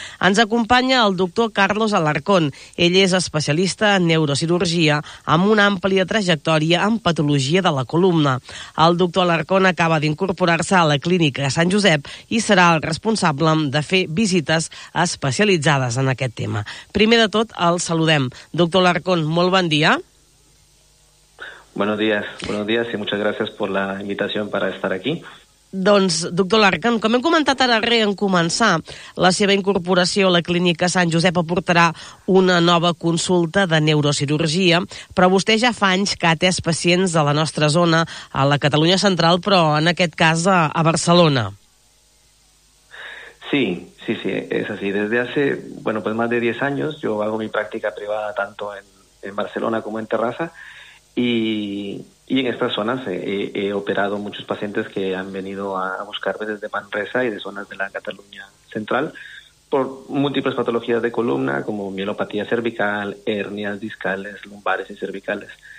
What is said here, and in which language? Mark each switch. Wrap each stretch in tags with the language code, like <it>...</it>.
<ca>Ens acompanya el doctor Carlos Alarcón. Ell és especialista en neurocirurgia amb una àmplia trajectòria en patologia de la columna. El doctor Alarcón acaba d'incorporar-se a la Clínica Sant Josep i serà el responsable de fer visites especialitzades en aquest tema. Primer de tot, el saludem. Doctor Alarcón, molt bon dia.</ca> <es>Buenos días y muchas gracias por la invitación para estar aquí.</es> <ca>Doncs, doctor Alarcón, com hem comentat ara en començar, la seva incorporació a la Clínica Sant Josep aportarà una nova consulta de neurocirurgia, però vostè ja fa anys que ha atès pacients de la nostra zona, a la Catalunya Central, però en aquest cas a Barcelona.</ca> <es>Sí, es así. Desde hace, bueno, pues más de 10 años yo hago mi práctica privada tanto en Barcelona como en Terrassa. Y en estas zonas he operado muchos pacientes que han venido a buscarme desde Manresa y de zonas de la Cataluña Central por múltiples patologías de columna, como mielopatía cervical, hernias discales, lumbares y cervicales.</es>